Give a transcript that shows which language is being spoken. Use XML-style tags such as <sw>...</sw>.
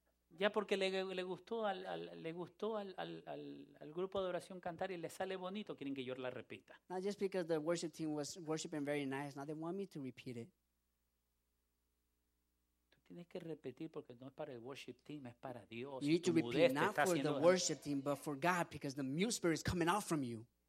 <es>Ya porque le gustó al grupo de oración cantar y le sale bonito, quieren que yo la repita.</es> <en>Not just because the worship team was worshiping very nice, now they want me to repeat it.</en> <es>Tú tienes que repetir porque no es para el worship team, es para Dios.</es> <en>You need to repeat not for the worship team, but for God, because the mute spirit is coming out from you.</en>